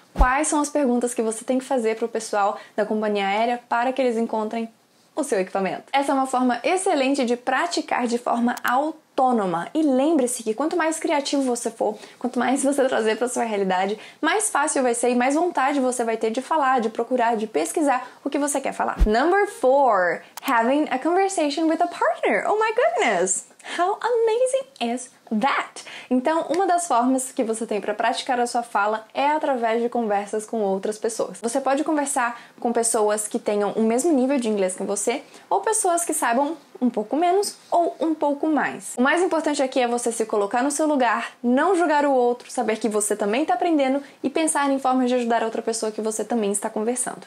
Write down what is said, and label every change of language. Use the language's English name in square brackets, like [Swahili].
[Portuguese] Quais são as perguntas que você tem que fazer para o pessoal da companhia aérea para que eles encontrem o seu equipamento? Essa é uma forma excelente de praticar de forma autônoma. E lembre-se que quanto mais criativo você for, quanto mais você trazer para sua realidade, mais fácil vai ser e mais vontade você vai ter de falar, de procurar, de pesquisar o que você quer falar. [English] Number 4, having a conversation with a partner. Oh my goodness! How amazing is that? [Portuguese] Então, uma das formas que você tem para praticar a sua fala é através de conversas com outras pessoas. Você pode conversar com pessoas que tenham o mesmo nível de inglês que você, ou pessoas que saibam um pouco menos ou um pouco mais. O mais importante aqui é você se colocar no seu lugar, não julgar o outro, saber que você também está aprendendo e pensar em formas de ajudar a outra pessoa que você também está conversando.